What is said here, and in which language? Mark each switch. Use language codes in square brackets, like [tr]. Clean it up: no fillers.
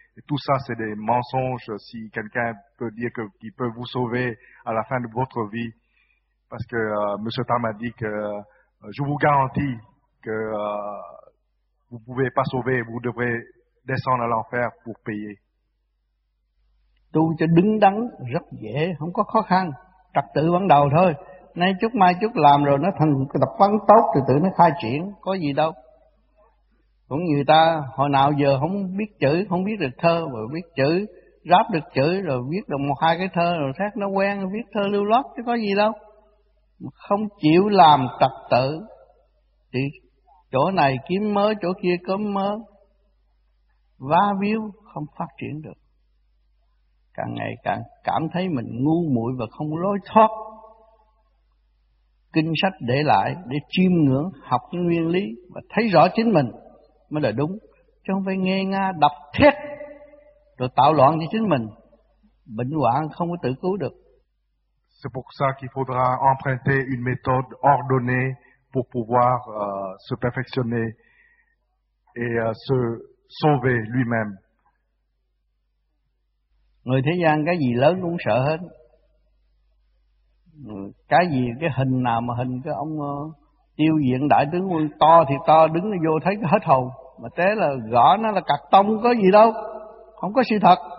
[fr] Et tout ça, c'est des mensonges. Si quelqu'un peut dire qu'il peut vous sauver à la fin de votre vie, parce que M. Tam a dit que je vous garantis que vous ne pouvez pas sauver, vous devrez descendre à l'enfer pour payer. [vi] Tu cho đứng đắn rất dễ, không có khó khăn, trật tự ban đầu thôi. Nay chút mai chút làm rồi nó thành tập quán tốt, từ từ nó khai triển, có gì đâu. Cũng như ta hồi nào giờ không biết chữ, không biết được thơ, rồi biết chữ, ráp được chữ, rồi viết được một hai cái thơ, rồi khác nó quen, viết thơ lưu loát chứ có gì đâu. Không chịu làm trật tự, thì chỗ này kiếm mớ, chỗ kia có mớ, va víu không phát triển được. Càng ngày càng cảm thấy mình ngu muội và không lối thoát. Kinh sách để lại để chiêm ngưỡng, học những nguyên lý và thấy rõ chính mình mới là đúng, chứ không phải nghe nga đập thét rồi tạo loạn cho chính mình, bệnh hoạn không có tự cứu được. [fr] C'est pour ça qu'il faudra emprunter une méthode ordonnée pour pouvoir se perfectionner et se sauver lui-même. [vi] Người thế gian cái gì lớn cũng sợ hết, cái gì cái hình nào mà hình cái ông Tiêu Diện đại tướng quân to thì to, đứng vô thấy hết hồn, mà té là gõ nó là cặc tông, có gì đâu, không có sự thật.